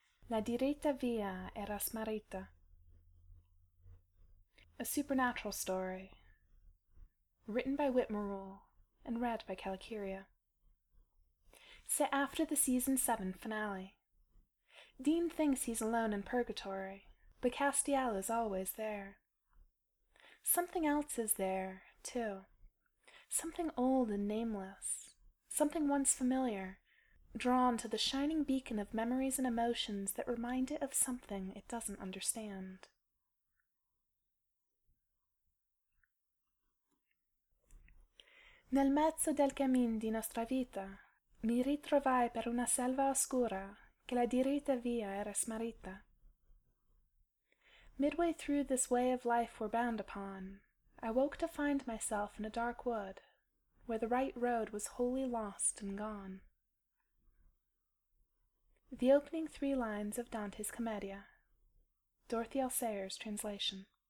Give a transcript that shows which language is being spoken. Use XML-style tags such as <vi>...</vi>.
<it>La diretta via era smarrita.</it> <en>A supernatural story, written by Whitmerule and read by Calicuria. Set after the season 7 finale. Dean thinks he's alone in purgatory, but Castiel is always there. Something else is there, too. Something old and nameless. Something once familiar. Drawn to the shining beacon of memories and emotions that remind it of something it doesn't understand.</en> <it>Nel mezzo del cammin di nostra vita, mi ritrovai per una selva oscura che la diritta via era smarrita.</it> <en>Midway through this way of life we're bound upon, I woke to find myself in a dark wood, where the right road was wholly lost and gone. The opening 3 lines of Dante's Commedia. Dorothy L. Sayers translation.</en>